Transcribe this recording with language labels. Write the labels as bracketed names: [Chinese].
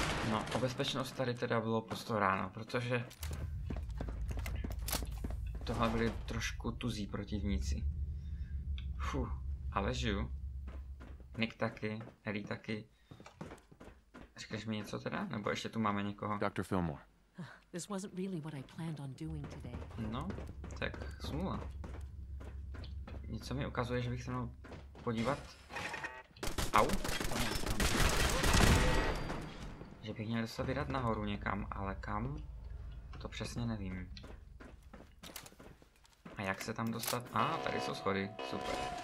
[Czech] No, o bezpečnost tady teda bylo postaráno, protože tohle byli trošku tuzí protivníci. Fuh, ale žiju. Nick taky, Ellie taky. Řekneš mi něco teda? Nebo ještě tu máme někoho? Dr. Fillmore. [English] This wasn't really what I planned on doing today. [Czech] No, tak smůla. Něco mi ukazuje, že bych se měl podívat. Au. Že bych měl se vydat nahoru někam, ale kam? To přesně nevím. A jak se tam dostat? A, tady jsou schody. Super.